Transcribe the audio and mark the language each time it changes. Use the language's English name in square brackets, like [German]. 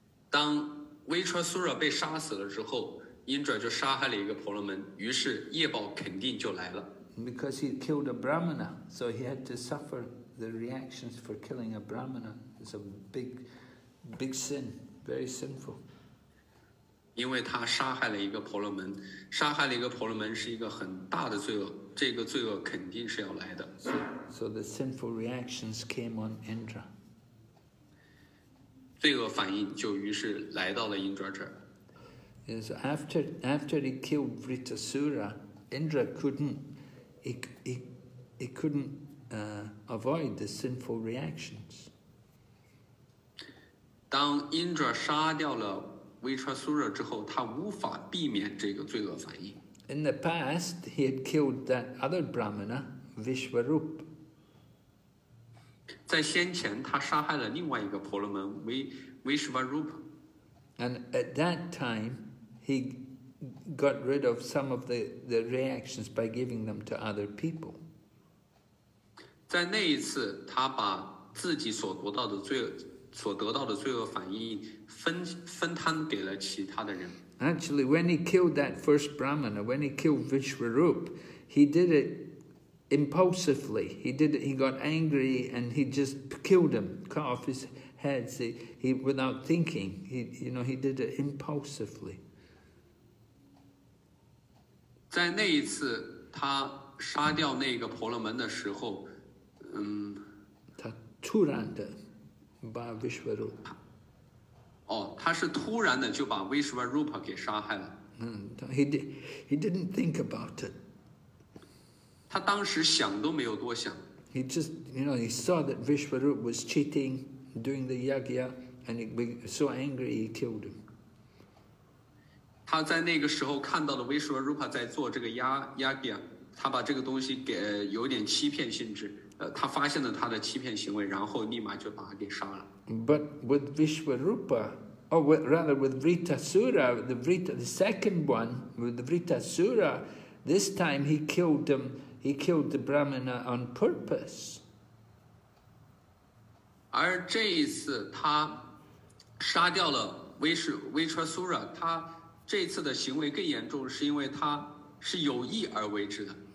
[Chinese] 当 Vritasura 被杀死了之后 ，Indra 就杀害了一个婆罗门，于是业报肯定就来了。 [English] Because he killed a brahmana, so he had to suffer the reactions for killing a brahmana. It's a big, big sin, very sinful. [Chinese] 因为他杀害了一个婆罗门，杀害了一个婆罗门是一个很大的罪恶，这个罪恶肯定是要来的。 [English] So the sinful reactions came on Indra. [Chinese] 罪恶反应就于是来到了 Indra 这儿。 [English] Yes, after he killed Vritasura, Indra couldn't he couldn't avoid the sinful reactions. [Chinese] 当 Indra 杀掉了Vritasura 之后他无法避免这个罪恶反应。 [English] In the past, he had killed that other brahmana, Vishwarup. [Chinese] 在先前他杀害了另外一个婆罗门 Vishwarup. [English] And at that time, he got rid of some of the reactions by giving them to other people. [Chinese] 在那一次他把自己所得到的罪恶反应分摊给了其他的人。 [English] Actually, when he killed that first brahmana, when he killed Vishwarup, he did it impulsively. He did it. He got angry and he just killed him, cut off his head. He without thinking. He did it impulsively. [Chinese] 在那一次他杀掉那个婆罗门的时候，他突然的。把 Vishwarupa 哦，他是突然的就把 Vishwarupa 给杀害了。 [English] He didn't think about it. [Chinese] 他当时想都没有多想。 [English] He just, you know, he saw that Vishwarupa was cheating, doing the yagya, and he was so angry he killed him. [Chinese] 他在那个时候看到了维什瓦卢帕在做这个压扁，他把这个东西给有点欺骗性质，他发现了他的欺骗行为，然后立马就把他给杀了。 [English] But with Vishwarupa, or with, rather with Vritasura, the second one, with Vritasura, this time he killed him, he killed the Brahmana on purpose. [Chinese] 而这一次他杀掉了 Vritasura, 他这次的行为更严重，是因为他是有意而为之的。